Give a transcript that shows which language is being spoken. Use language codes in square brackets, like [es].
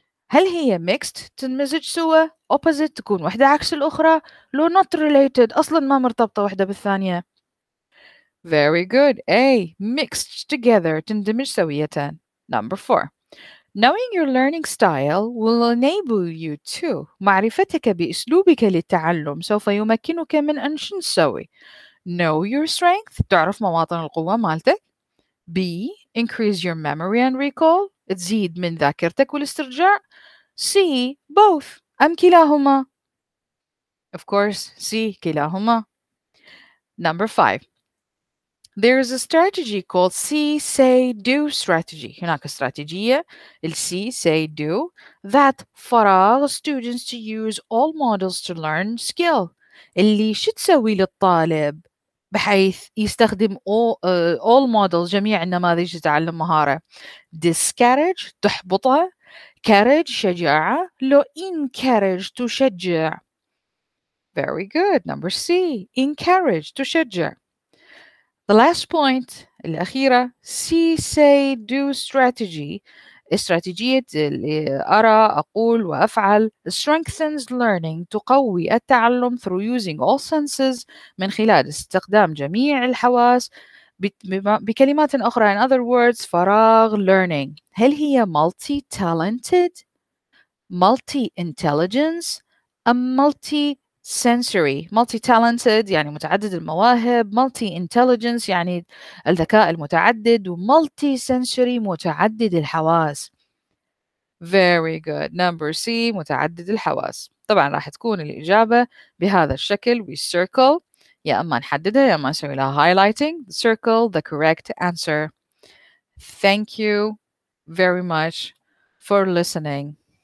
[ar] هل هي mixed تنمزج سوا [en] opposite [ar] تكون واحدة عكس الأخرى لو [en] not related [ar] أصلا ما مرتبطة واحدة بالثانية. [en] Very good. A mixed together [ar] تندمج سويتان. [en] Number four. Knowing your learning style will enable you to [ar] معرفتك بأسلوبك للتعلم سوف يمكنك من أن تسوي [en] know your strength [ar] تعرف مواطن القوة مالتك. [en] B increase your memory and recall [ar] تزيد من ذاكرتك والاسترجاع. [en] C both [ar] أم كلاهما. [en] Of course C كلاهما. Number five. There is a strategy called see say do strategy. [ar] هناك استراتيجية ال [en] see say do that فراغ students to use all models to learn skill. [ar] اللي شو تسوي للطالب بحيث يستخدم [en] all models [ar] جميع النماذج لتعلم مهارة. [en] Discourage تحبطها. Courage شجاعة. [ar] لو encourage تشجع. [en] Very good. Number C encourage تشجع. The last point الأخيرة C say do strategy [ar] استراتيجية اللي أرى أقول وأفعل [en] strengthens learning [ar] تقوي التعلم [en] through using all senses [ar] من خلال استخدام جميع الحواس بكلمات أخرى [en] in other words فراغ learning. [ar] هل هي [en] multi-talented, multi-intelligence, [ar] أم [en] multi-sensory؟ [ar] multi-talented يعني متعدد المواهب, multi-intelligence يعني الذكاء المتعدد, multi-sensory متعدد الحواس. [en] Very good. Number C [ar] متعدد الحواس. طبعا راح تكون الإجابة بهذا الشكل. [en] We circle. [ar] يا أما نحددها يا أما نسوي لها [en] highlighting. Circle the correct answer. Thank you very much for listening.